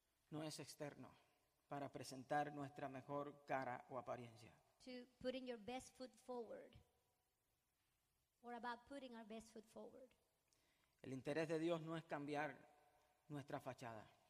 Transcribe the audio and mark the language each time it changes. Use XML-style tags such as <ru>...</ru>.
<es>No es externo para presentar nuestra mejor cara o apariencia.</es> <en>To putting your best foot forward, or about putting our best foot forward.</en> <es>El interés de Dios no es cambiar nuestra fachada.</es>